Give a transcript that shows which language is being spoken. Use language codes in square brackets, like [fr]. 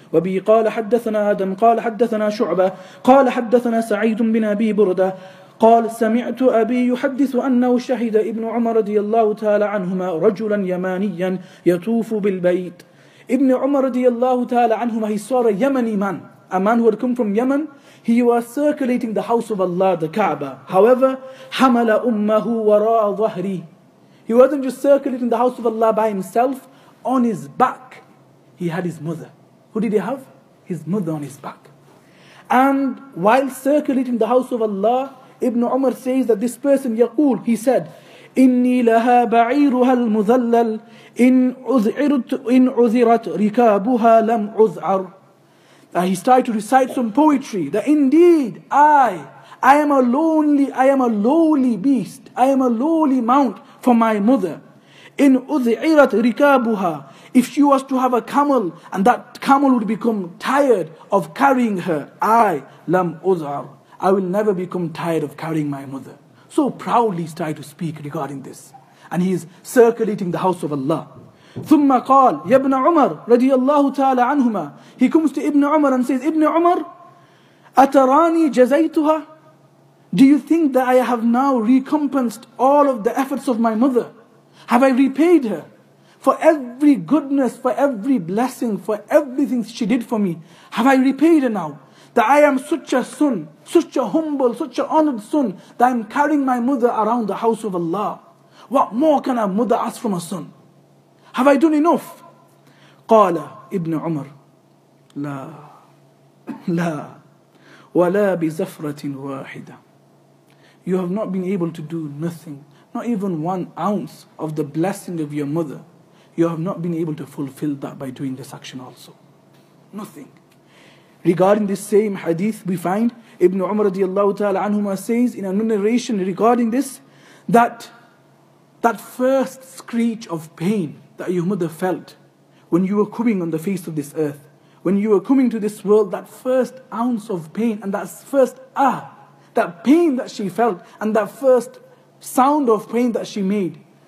[ar] وَبِهِ قَالَ حَدَّثَنَا آدَمْ قَالَ حَدَّثَنَا شُعْبَةَ قَالَ حَدَّثَنَا سَعِيدٌ بِنَ أَبِي بُرْدَةَ قَالَ سَمِعْتُ أَبِي يُحَدِّثُ أَنَّهُ شَهِدَ إِبْنُ عُمَرَ رَضِيَ اللَّهُ تَعَالَى عَنْهُمَا رَجُلًا يَمَانِيًّا يَطُوفُ بِالْبَيْتِ. [en] Ibn Umar radiyallahu ta'ala anhuma, he saw a Yemeni man, a man who had come from Yemen. He was circulating the house of Allah, the Kaaba. [ar] However, حَمَلَ أُمَّهُ وَرَاءَ ظَهْرِهِ. [en] He wasn't just circulating the house of Allah by himself. On his back, he had his mother. Who did he have? His mother on his back. And while circulating the house of Allah, Ibn Umar says that this person, يقول, he said, [ar] إِنِّي لَهَا بَعِيرُهَا الْمُذَلَّلِ إِنْ عُذِرَتْ رِكَابُهَا لَمْ عُذْعَرُ. [en] He started to recite some poetry that indeed I am a lowly beast. I am a lowly mount for my mother. [ar] In Uzi'irat Rikabuha, [en] if she was to have a camel and that camel would become tired of carrying her, [ar] I lam uz'ar, [en] I will never become tired of carrying my mother. So proudly started to speak regarding this. And he is circulating the house of Allah. [ar] ثم قال يا ابن عمر رضي الله تعالى عنهما. [en] He comes to Ibn Umar and says, Ibn Umar, [ar] أتراني جزيتها? [en] Do you think that I have now recompensed all of the efforts of my mother? Have I repaid her for every goodness, for every blessing, for everything she did for me? Have I repaid her now that I am such a son, such a humble, such an honored son that I'm carrying my mother around the house of Allah? What more can a mother ask from a son? Have I done enough? [ar] قال ابن عمر لا لا ولا بزفرة واحدة. [en] You have not been able to do nothing, not even 1 ounce of the blessing of your mother. You have not been able to fulfill that by doing this action also. Nothing. Regarding this same hadith, we find Ibn Umar radiallahu ta'ala anhuma says in a narration regarding this that first screech of pain that your mother felt when you were coming on the face of this earth, when you were coming to this world, that first ounce of pain and that first that pain that she felt and that first sound of pain that she made.